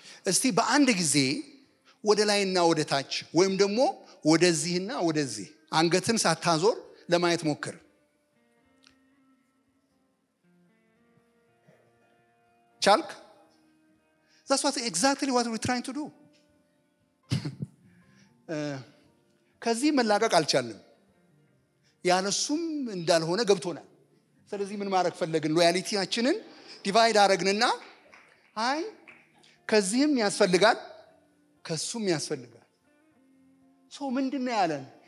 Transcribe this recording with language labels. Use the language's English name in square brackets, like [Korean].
[Amharic] እስቲ በአንድ ጊዜ ወደ ላይና ወደ ታች ወይም ደግሞ ወደዚህና ወደዚህ አንገትን ሳታዞር ለማየት ሞክር። ቻልክ? [English] That's what exactly what we're trying to do. [Amharic] ከዚህ መላቀቅ አልቻልንም። ያነሱም እንዳልሆነ ገብቶናል። ስለዚህ ምን ማድረግ ፈለግን? ሎያሊቲያችንን ዲቫይድ አረግንና አይ ከዚህም ያስፈልጋል ከሱም ያስፈልጋል። ሶ ምንድነው ያለን?